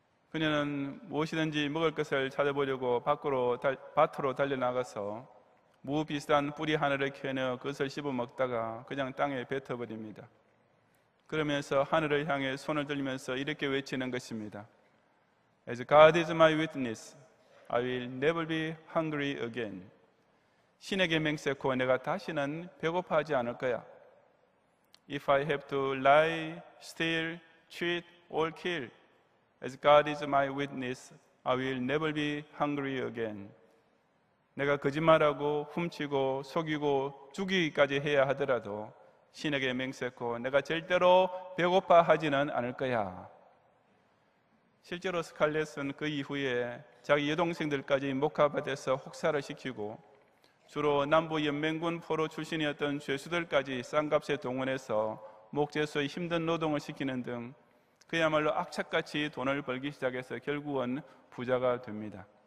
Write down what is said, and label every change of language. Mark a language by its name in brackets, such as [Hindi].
[Korean] 그녀는 무엇이든지 먹을 것을 찾아보려고 밭으로 달려나가서 무 비슷한 뿌리 하나를 캐내어 그것을 씹어먹다가 그냥 땅에 뱉어버립니다. 그러면서 하늘을 향해 손을 들면서 이렇게 외치는 것입니다. [English] As God is my witness, I will never be hungry again. [Korean] 신에게 맹세코 내가 다시는 배고파하지 않을 거야. [English] If I have to lie, steal, cheat or kill, As God is my witness, I will never be hungry again. [Korean] 내가 거짓말하고 훔치고 속이고 죽이기까지 해야 하더라도 신에게 맹세코 내가 절대로 배고파하지는 않을 거야. 실제로 스칼렛은 그 이후에 자기 여동생들까지 목합화돼서 혹사를 시키고 주로 남부연맹군 포로 출신이었던 죄수들까지 싼값에 동원해서 목재수의 힘든 노동을 시키는 등 그야말로 악착같이 돈을 벌기 시작해서 결국은 부자가 됩니다.